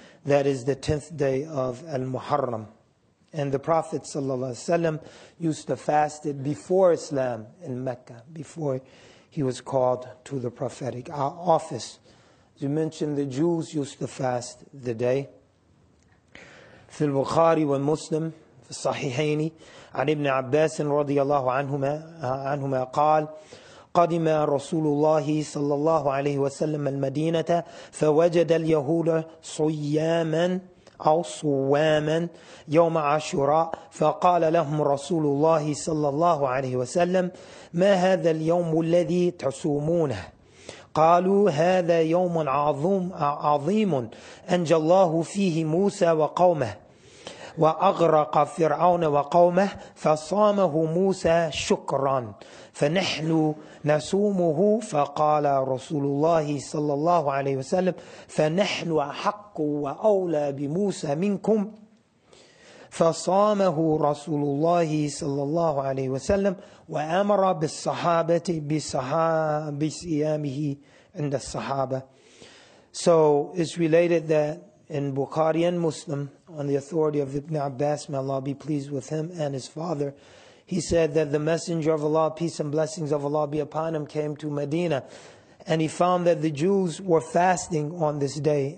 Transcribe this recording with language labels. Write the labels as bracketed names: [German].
[English] That is the 10th day of Al-Muharram. And the Prophet ﷺ used to fast it before Islam in Mecca, before he was called to the prophetic office. As you mentioned, the Jews used to fast the day. [Arabic] في البخاري ومسلم في الصحيحين عن ابن عباس رضي الله عنهما قال قدم رسول الله صلى الله عليه وسلم المدينة فوجد اليهود صياما أو صواما يوم عاشوراء فقال لهم رسول الله صلى الله عليه وسلم ما هذا اليوم الذي تصومونه قالوا هذا يوم عظيم أنجى الله فيه موسى وقومه وأغرق فرعون وقومه فصامه موسى شكرا فنحن نسومه فقال رسول الله صلى الله عليه وسلم فنحن أحق وأولى بموسى منكم فصامه رسول الله صلى الله عليه وسلم وأمر بالصحابة بصيامه عند الصحابة. [English] So it's related that in Bukhari and Muslim, on the authority of Ibn Abbas, may Allah be pleased with him and his father, he said that the Messenger of Allah, peace and blessings of Allah be upon him, came to Medina, and he found that the Jews were fasting on this day.